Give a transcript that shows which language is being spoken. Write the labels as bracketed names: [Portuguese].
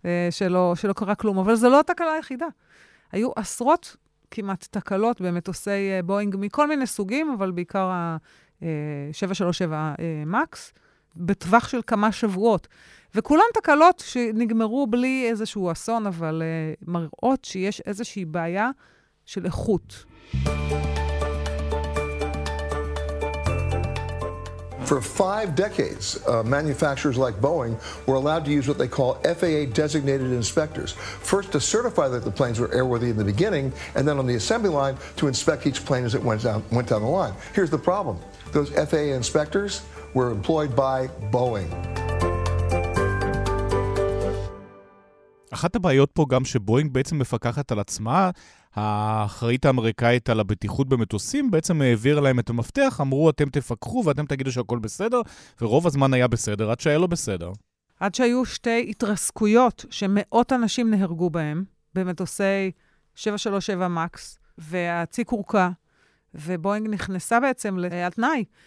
[Hebrew] שלא קרה כלום, אבל זה לא התקלה היחידה. היו עשרות כמעט תקלות במטוסי בואינג מכל מיני סוגים, אבל בעיקר ה-737 מקס, בטווח של כמה שבועות. וכולם תקלות שנגמרו בלי איזשהו אסון, אבל מראות שיש איזושהי בעיה של איכות. [English] For 5 decades, manufacturers like Boeing were allowed to use what they call FAA designated inspectors, first to certify that the planes were airworthy in the beginning, and then on the assembly line to inspect each plane as it went down the line. Here's the problem. Those FAA inspectors were employed by Boeing. [Hebrew] אחת הבעיות פה גם שבואינג בעצם מפקחת על עצמה, האחראית האמריקאית על הבטיחות במטוסים, בעצם העביר להם את המפתח, אמרו אתם תפקחו ואתם תגידו שהכל בסדר, ורוב הזמן היה בסדר, עד שהיה לא בסדר. עד שהיו שתי התרסקויות שמאות אנשים נהרגו בהם, במטוסי 737 מקס, והציק הורקה, ובואינג נכנסה בעצם לתנאי.